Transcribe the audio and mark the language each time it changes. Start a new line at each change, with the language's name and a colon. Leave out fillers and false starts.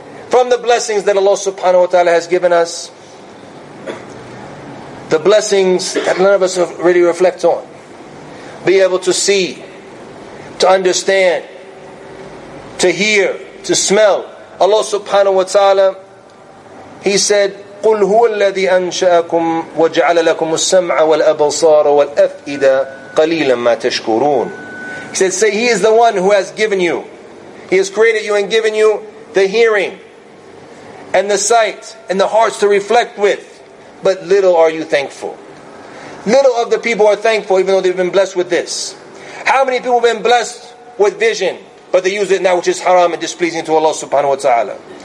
English: From the blessings that Allah subhanahu wa ta'ala has given us, the blessings that none of us really reflect on, be able to see, to understand, to hear, to smell. Allah subhanahu wa ta'ala, He said,
Arabic: قُلْ هُوَ الَّذِي أَنْشَأَكُمْ وَجَعَلَ لَكُمُ السَّمْعَ وَالْأَبْصَارَ وَالْأَفْئِدَ قَلِيلًا مَّا تَشْكُرُونَ.
English: He said, say, He is the one who has given you, He has created you and given you the hearing and the sight and the hearts to reflect with, but little are you thankful. Little of the people are thankful, even though they've been blessed with this. How many people have been blessed with vision, but they use it now, which is haram and displeasing to Allah subhanahu wa ta'ala?